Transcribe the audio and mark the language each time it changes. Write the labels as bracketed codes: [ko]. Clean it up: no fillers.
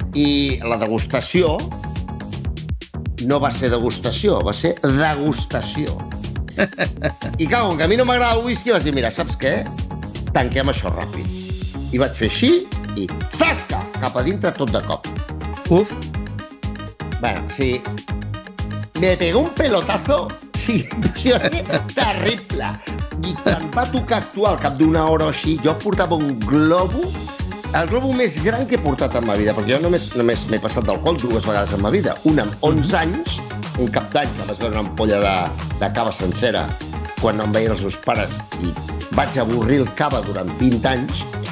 [ca] I la degustació no va ser degustació, va ser degustació. I clar, com que a mi no m'agrada el whisky, vas dir, mira, saps què? Tanquem això ràpid. I vaig fer així, zasca, cap a dintre tot de cop. Uf. Bueno, sí. [es] Me pegó un pelotazo, sí, sí, terrible. [ca] I quan va tocar actuar al cap d'una hora o així, jo portava un globo, el globo més gran que he portat en ma vida, perquè jo només m'he passat d'alcohol dues vegades en ma vida. Un amb 11 anys, un cap d'any, que vaig veure una ampolla de cava sencera quan no em veien els meus pares i vaig avorrir el cava durant 20 anys.